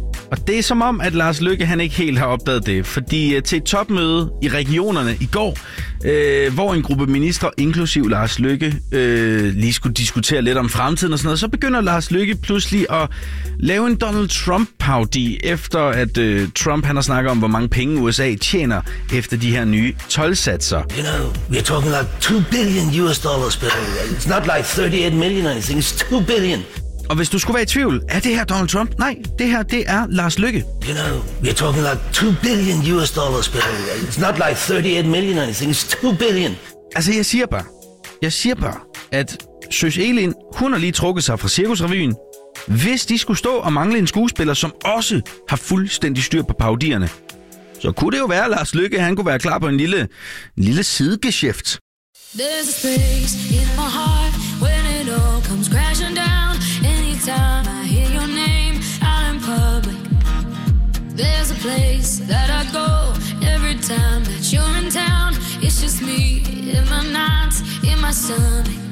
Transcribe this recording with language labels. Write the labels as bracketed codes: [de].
[da] Og det er som om, at Lars Løkke han ikke helt har opdaget det, fordi til et topmøde i regionerne i går, hvor en gruppe ministre, inklusiv Lars Løkke, lige skulle diskutere lidt om fremtiden og sådan noget, så begynder Lars Løkke pludselig at lave en Donald Trump-parodi, efter at Trump han har snakket om, hvor mange penge USA tjener efter de her nye toldsatser. [en] You know, we're talking like $2 billion, but it's not like 38 million or anything, it's 2 billion. [da] Og hvis du skulle være i tvivl, er det her Donald Trump? Nej, det her, det er Lars Løkke. [en] You know, we're talking like $2 billion, but it's not like 38 million or anything, it's 2 billion. [da] Altså, jeg siger bare, at Søs Elin, hun har lige trukket sig fra Cirkusrevyen. Hvis de skulle stå og mangle en skuespiller, som også har fuldstændig styr på parodierne, så kunne det jo være, at Lars Løkke, han kunne være klar på en lille sidegeschæft. [en] There's a space in my heart when it all comes crashing down. Time I hear your name out in public, there's a place that I go every time that you're in town. It's just me in my nights, in my stomach.